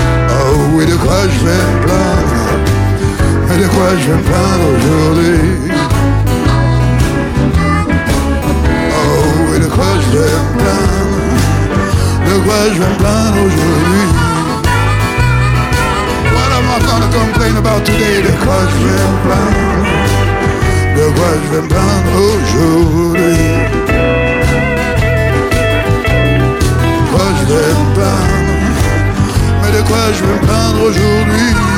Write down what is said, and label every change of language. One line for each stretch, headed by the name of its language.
French: Oh oui, de quoi je vais me plaindre, de quoi je vais me plaindre aujourd'hui. Oh oui, de quoi je vais me plaindre. De quoi je vais me plaindre aujourd'hui?
English: What am I gonna complain about today?
French: De quoi je vais me plaindre? De quoi je vais me plaindre aujourd'hui? De quoi je vais me plaindre? Mais de quoi je vais me plaindre aujourd'hui?